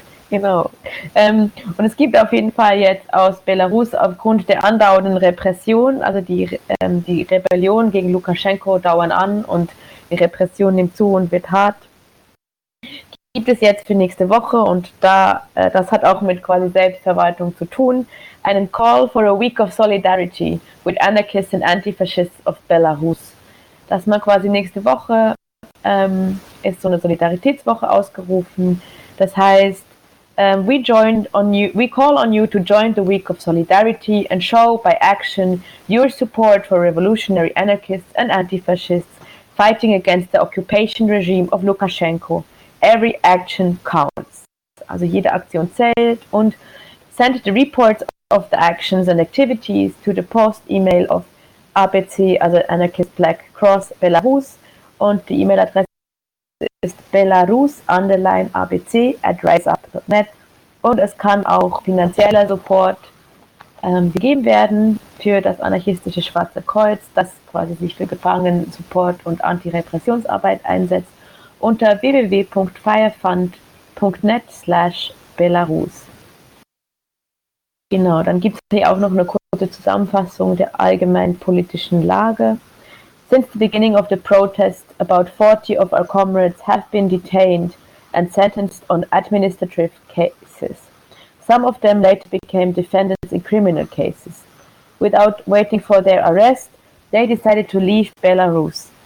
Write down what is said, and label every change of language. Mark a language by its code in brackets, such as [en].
[de] Genau. Und es gibt auf jeden Fall jetzt aus Belarus aufgrund der andauernden Repression, also die Rebellion gegen Lukaschenko dauern an und die Repression nimmt zu und wird hart, gibt es jetzt für nächste Woche und da das hat auch mit quasi Selbstverwaltung zu tun, einen [en] Call for a Week of Solidarity with Anarchists and Antifascists of Belarus. [de] Dass man quasi nächste Woche ist so eine Solidaritätswoche ausgerufen. Das heißt, [en] we call on you to join the Week of Solidarity and show by action your support for revolutionary anarchists and anti-fascists fighting against the occupation regime of Lukashenko. Every action counts. [de] Also jede Aktion zählt und [en] send the reports of the actions and activities to the post email of ABC, also Anarchist Black Cross Belarus [de] und die E-Mail-Adresse ist belarus_abc@riseup.net und es kann auch finanzieller Support gegeben werden für das anarchistische Schwarze Kreuz, das quasi sich für Gefangenen-Support und Antirepressionsarbeit einsetzt, unter www.firefund.net/belarus. Genau, dann gibt es hier auch noch eine kurze Zusammenfassung der allgemeinen politischen Lage. [en] Since the beginning of the protest, about 40 of our comrades have been detained and sentenced on administrative cases. Some of them later became defendants in criminal cases. Without waiting for their arrest, they decided to leave Belarus.